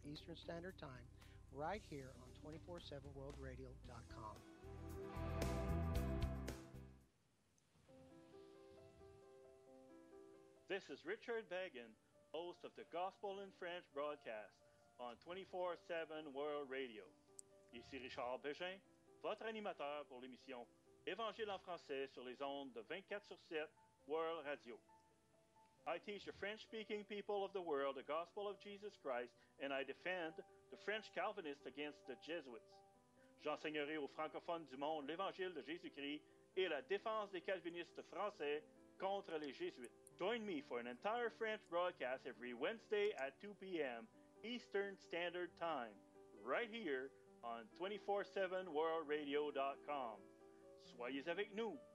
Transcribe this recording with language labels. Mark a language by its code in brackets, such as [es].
[en] Eastern Standard Time, right here on 247worldradio.com. This is Richard Bagan, host of the Gospel in French broadcast on 24/7 World Radio. [fr] Ici Richard Bégin, votre animateur pour l'émission Évangile en français sur les ondes de 24/7 World Radio. [en] I teach the French-speaking people of the world the Gospel of Jesus Christ, and I defend the French Calvinists against the Jesuits. [fr] J'enseignerai aux francophones du monde l'Évangile de Jésus-Christ et la défense des Calvinistes français contre les Jésuites. [en] Join me for an entire French broadcast every Wednesday at 2 p.m. Eastern Standard Time, right here on 247worldradio.com. [fr] Soyez avec nous